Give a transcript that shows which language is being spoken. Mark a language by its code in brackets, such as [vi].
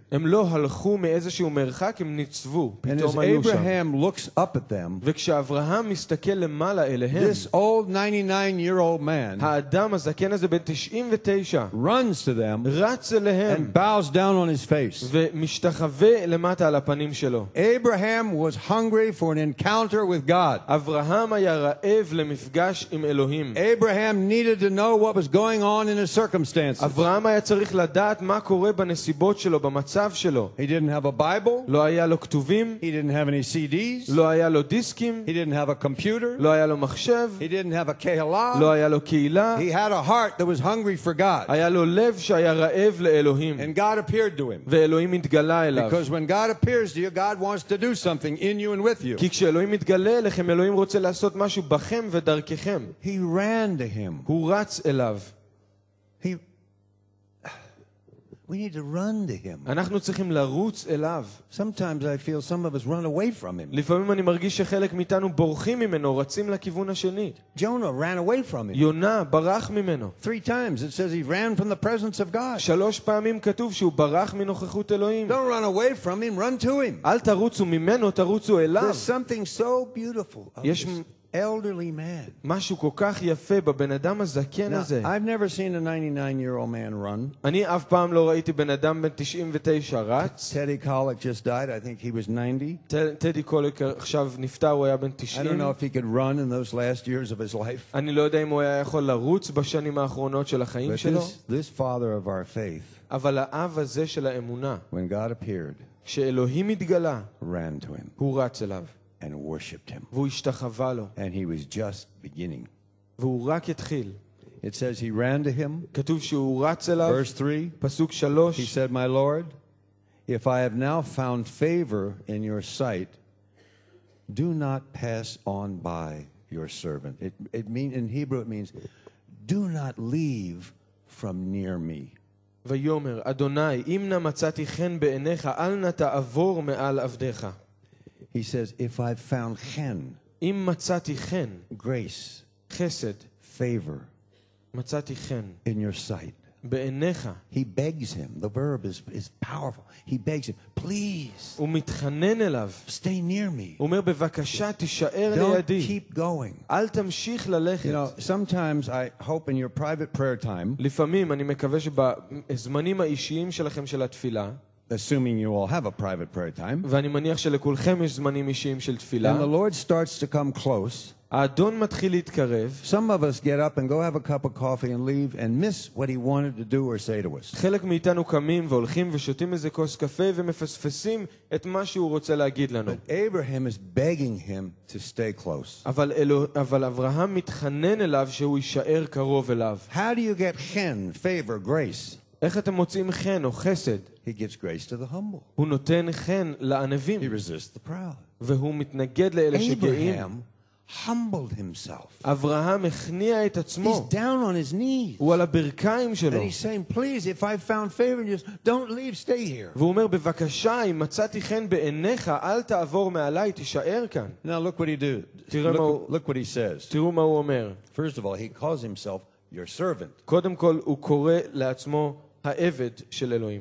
[en] And as Abraham looks up at them, this old 99-year-old man runs to them and bows down on his face. Abraham was hungry for an encounter with God. Abraham needed to know what was going on in in his circumstances. [he] אברהם היה צריך לדעת מה קורה בנסיבות שלו, במצב שלו. [en] He didn't have a Bible. [he] לא היה לו כתובים. [en] He didn't have any CDs. [he] לא היה לו דיסקים. [en] He didn't have a computer. [he] לא היה לו מחשב. [en] He didn't have a קהילה. [he] לא היה לו קהילה. [en] He had a heart that was hungry for God. [he] היה לו לב שהיה רעב לאלוהים. [en] And God appeared to him. [he] ואלוהים התגלה אליו. [en] Because when God appears to you, God wants to do something in you and with you. [he] כי כשאלוהים מתגלה אליכם, אלוהים רוצה לעשות משהו בכם ודרככם. [en] He ran to him. [he] הוא רץ אליו. [en] We need to run to him. [he] אנחנו צריכים לרוץ אליו. [en] Sometimes I feel some of us run away from him. [he] לפעמים אני מרגיש שחלק מאיתנו בורחים ממנו, רצים לכיוון השני. [en] Jonah ran away from him. [he] יונה ברח ממנו. [en] 3 times it says he ran from the presence of God. [he] 3 פעמים כתוב שהוא ברח מנוכחות אלוהים. [en] Don't run away from him, run to him. [he] אל תרוצו ממנו, תרוצו אליו. [en] There's something so beautiful. יש elderly man. [he] משהו כל כך יפה בבן אדם הזקן הזה. [en] I've never seen a 99-year-old man run. [he] אני אף פעם לא ראיתי בן אדם בן 99 רץ. [en] Teddy Kollek just died. I think he was 90. [he] טדי קולק עכשיו נפטר, הוא היה בן 90. [en] I don't know if he could run in those last years of his life. [he] אני לא יודע אם הוא היה יכול לרוץ בשנים האחרונות של החיים שלו. [en] This father of our faith. [he] אבל האב הזה של האמונה. [en] When God appeared. [he] כשאלוהים התגלה. [en] Ran to him. [he] הוא רץ אליו. [en] And worshipped him. [he] והשתחווה לו. [en] And he was just beginning. [he] והוא רק התחיל. [en] It says he ran to him. [he] כתוב שהוא רץ אליו. [en] Verse 3. [he] פסוק 3. [en] He said, "My Lord, if I have now found favor in your sight, do not pass on by your servant." It means in Hebrew, "Do not leave from near me." [he] ויאמר, אדוני, אם נמצאתי חן בעיניך, אל נא תעבור מעל עבדך. [en] He says, if I've found chen, [he] אם מצאתי חן, [en] grace, [he] חסד, [en] favor, [he] מצאתי חן, [en] in your sight, [he] בעיניך. [en] He begs him. The verb is powerful. He begs him, please. [he] הוא מתחנן אליו. [en] Stay near me. [he] הוא אומר, בבקשה, תישאר [en] לידי. Don't keep going. [he] אל תמשיך ללכת. [en] You know, sometimes I hope in your private prayer time, [he] לפעמים אני מקווה שבזמנים האישיים שלכם של התפילה, [en] assuming you all have a private prayer time. [he] ואני מניח שלכולכם יש זמנים אישיים של תפילה. [en] And the Lord starts to come close. [he] האדון מתחיל להתקרב. [en] Some of us get up and go have a cup of coffee and leave and miss what he wanted to do or say to us. [he] חלק מאיתנו קמים והולכים ושותים איזה כוס קפה ומפספסים את מה שהוא רוצה להגיד לנו. [en] But Abraham is begging him to stay close. [he] אבל אברהם מתחנן אליו שהוא יישאר קרוב אליו. [en] How do you get chen, favor, grace? [he] איך אתם מוצאים חן או חסד? [en] He gives grace to the humble. [he] הוא נותן חן לענבים. [en] He resists the proud. [he] והוא מתנגד לאלה שגאים. [en] Abraham humbled himself. [he] אברהם הכניע את עצמו. [en] He's down on his knees. [he] הוא על הברכיים שלו. [en] And he's saying, please, if I've found favor in you, don't leave, stay here. [he] והוא אומר, בבקשה, אם מצאתי חן בעיניך, אל תעבור מעליי, תישאר כאן. [en] Now look what he do. Look what he says. [he] תראו מה הוא אומר. [en] First of all, he calls himself your servant. [he] קודם כל הוא קורא לעצמו העבד של אלוהים.